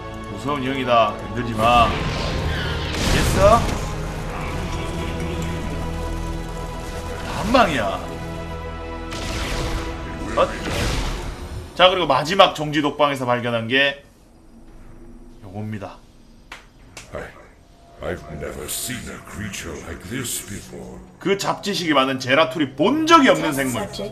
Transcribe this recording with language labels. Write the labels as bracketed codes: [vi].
[ko] 무서운 형이다. 건들지 마. 됐어? 한방이야. 헛. 자, 그리고 마지막 정지 독방에서 발견한 게 요겁니다. [en] I've never seen a creature like this before. [ko] 그 잡지식이 많은 제라툴이 본 적이 없는 생물.